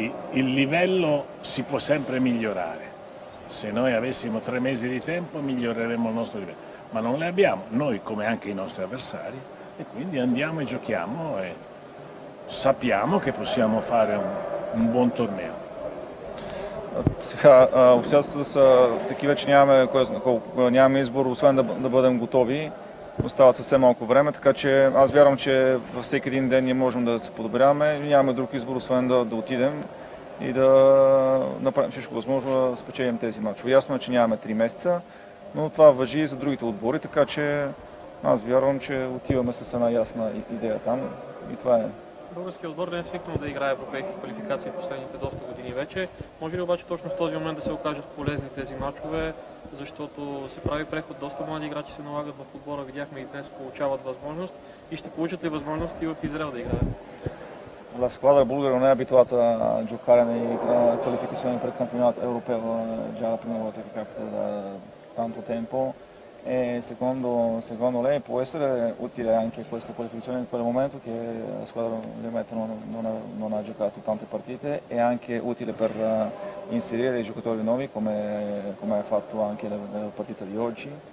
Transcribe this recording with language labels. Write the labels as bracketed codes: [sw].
[it] Il livello si può sempre migliorare. Se noi avessimo 3 mesi di tempo miglioreremmo il nostro livello, ma non le abbiamo, noi come anche i nostri avversari, e quindi andiamo e giochiamo e sappiamo che possiamo fare un buon torneo. [bg] Сега, обстоятелствата са такива, че нямаме избор, освен да бъдем готови. Остава съвсем малко време, така че аз вярвам, че във всеки един ден ние можем да се подобряваме. Нямаме друг избор, освен да отидем и да направим всичко възможно да спечелим тези мачове. Ясно е, че нямаме 3 месеца, но това важи и за другите отбори, така че аз вярвам, че отиваме с една ясна идея там и това е. Българският отбор не е свикнал да играе европейски квалификации последните доста години вече. Може ли обаче точно в този момент да се окажат полезни тези мачове, защото се прави преход, доста млади играчи се налагат в отбора, видяхме и днес получават възможност и ще получат ли възможности в Израел да играят? [it] La squadra bulgara non è abituata a giocare nei qualificazioni per campionato europeo, già la prima volta che capita da tanto tempo. E secondo lei può essere utile anche questa qualificazione in quel momento che la squadra ovviamente non ha giocato tante partite, e anche utile per inserire i giocatori nuovi come ha fatto anche nella partita di oggi?